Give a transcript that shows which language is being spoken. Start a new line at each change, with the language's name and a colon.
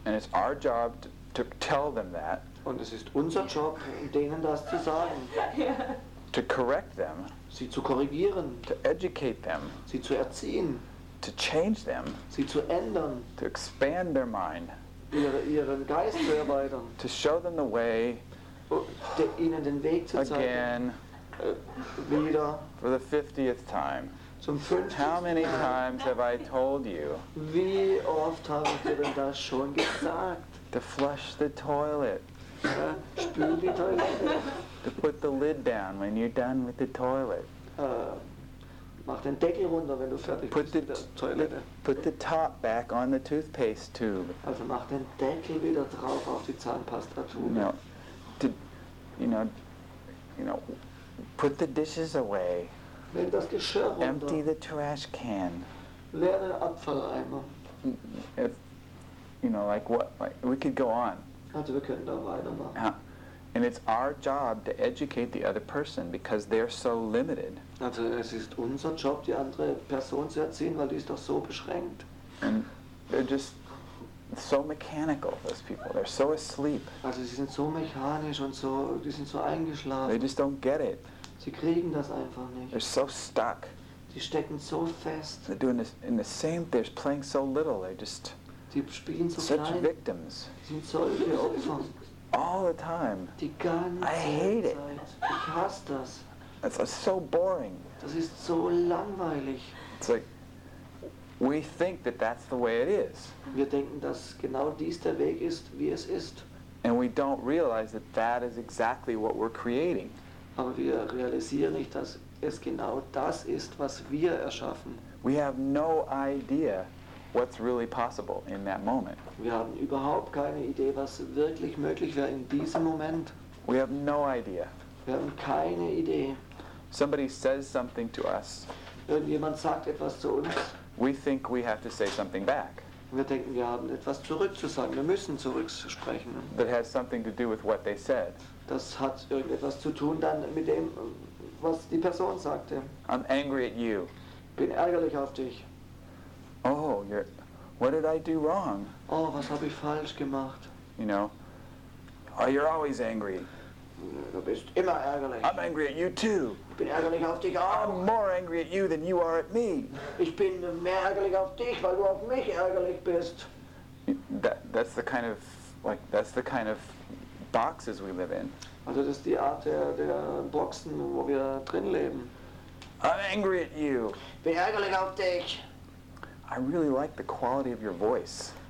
English: And it's our job to tell them that.
German: Und es ist unser Job, denen das zu sagen.
English: To correct them.
German: Sie zu korrigieren.
English: To educate them.
German: Sie zu erziehen.
English: To change them.
German: Sie zu ändern.
English: To expand their mind.
German: Ihren Geist zu erweitern.
English: To show them the way.
German: Ihnen den Weg zu zeigen.
English: Again.
German: Wieder.
English: For the 50th time.
German: Zum 50.
English: How many times have I told you?
German: Wie oft habe ich dir denn das schon gesagt?
English: To flush the toilet.
German: Spül die Toilette.
English: To put the lid down when you're done with the toilet.
German: Mach den Deckel runter, wenn du fertig bist mit der Toilette.
English: Put the top back on the toothpaste tube.
German: Also mach den Deckel wieder drauf auf die Zahnpastatube.
English: No. You know, put the dishes away.
German: Nimm das Geschirr runter.
English: Empty the trash can.
German: Leere Abfalleimer.
English: If, you know, like what? Like, we could go on.
German: Also wir können da weitermachen.
English: And it's our job to educate the other person because they're so limited.
German: Also es ist unser Job, die andere Person zu erziehen, weil die ist doch so beschränkt.
English: And they're just so mechanical, those people. They're so asleep.
German: Also sie sind so mechanisch und so, die sind so eingeschlafen.
English: They just don't get it.
German: Sie kriegen das einfach nicht.
English: They're so stuck.
German: Die stecken so fest.
English: They're doing this in the same, they're playing so little. They just,
German: die spielen so
English: such
German: klein.
English: Victims.
German: Sie sind solche Opfer.
English: All the time.
German: Die ganze
English: I hate
German: Zeit.
English: It.
German: Ich hasse das.
English: It's so boring.
German: Das ist so langweilig.
English: It's like, we think that that's the way it is.
German: Wir denken, dass genau dies der Weg ist, wie es ist.
English: And we don't realize that that is exactly what we're creating.
German: Aber wir realisieren nicht, dass es genau das ist, was wir erschaffen.
English: We have no idea what's really possible in that moment.
German: Wir haben überhaupt keine Idee, was wirklich möglich wäre in diesem Moment.
English: We have no idea.
German: Wir haben keine Idee.
English: Somebody says something to us.
German: Irgendjemand sagt etwas zu uns.
English: We think we have to say something back.
German: Wir denken, wir haben etwas zurückzusagen. Wir müssen zurücksprechen.
English: That has something to do with what they said.
German: Das hat irgendetwas zu tun dann mit dem, was die Person sagte.
English: I'm angry at you.
German: Bin ärgerlich auf dich.
English: Oh, you're, what did I do wrong?
German: Oh, was habe ich falsch gemacht?
English: You know, oh, you're always angry.
German: Du bist immer ärgerlich.
English: I'm angry at you too.
German: Ich bin ärgerlich auf dich auch.
English: I'm more angry at you than you are at me.
German: Ich bin mehr ärgerlich auf dich, weil du auf mich ärgerlich bist.
English: That's the kind of, like, that's the kind of boxes we live in.
German: Also das ist die Art der Boxen, wo wir drin leben.
English: I'm angry at you.
German: Ich bin ärgerlich auf dich.
English: I really like the quality of your voice.